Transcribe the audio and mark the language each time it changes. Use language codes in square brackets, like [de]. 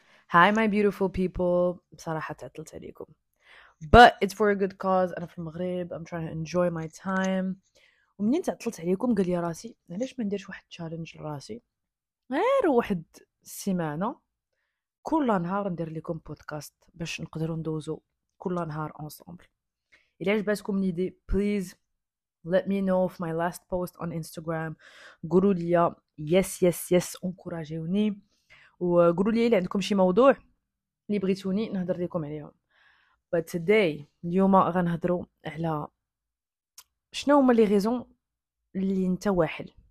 [en] hi my beautiful people, [ar] بصراحة تعطلت عليكم [en] but it's for a good cause. [ar] أنا في المغرب [en] I'm trying to enjoy my time. [ar] ومنين تعطلت عليكم قال لي راسي علاش ما نديرش واحد تشالنج لراسي غير واحد سيمانة كل نهار ندير لكم بودكاست باش نقدروا ندوزو كل نهار أنصومبل. إلا عجباتكم [en] ليدي please let me know في my last post on Instagram. [ar] قولوا لي [en] yes yes yes [ar] انكوراجيوني وقولوا لي اللي عندكم شي موضوع اللي بغيتوني نهضر لكم عليهم. [en] but today [ar] اليوم غنهضروا على شنو هما لي غيزون اللي انت واحل.